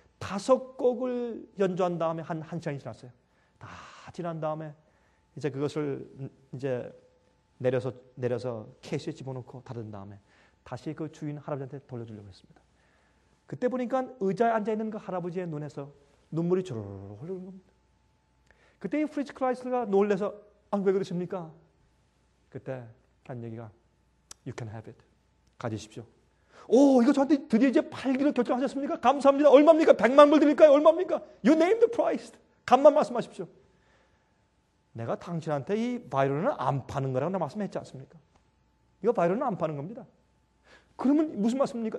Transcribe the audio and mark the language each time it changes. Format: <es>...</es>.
<ko>다섯 곡을 연주한 다음에 한 시간이 지났어요. 다 지난 다음에 이제 그것을 이제 내려서 캐시에 집어넣고 닫은 다음에 다시 그 주인 할아버지한테 돌려주려고 했습니다. 그때 보니까 의자에 앉아있는 그 할아버지의 눈에서 눈물이 주르륵 흐르는 겁니다. 그때 이 프리츠 크라이슬러가 놀라서, 아, 왜 그러십니까? 그때 한 얘기가,</ko> <en>You can have it.</en> <ko>가지십시오. 오, 이거 저한테 드디어 이제 팔기로 결정하셨습니까? 감사합니다. 얼마입니까? 100만불 드릴까요? 얼마입니까?</ko> <en>You name the price.</en> <ko>값만 말씀하십시오. 내가 당신한테 이 바이올린을 안 파는 거라고 내가 말씀했지 않습니까? 이거 바이올린은 안 파는 겁니다. 그러면 무슨 말씀입니까?</ko>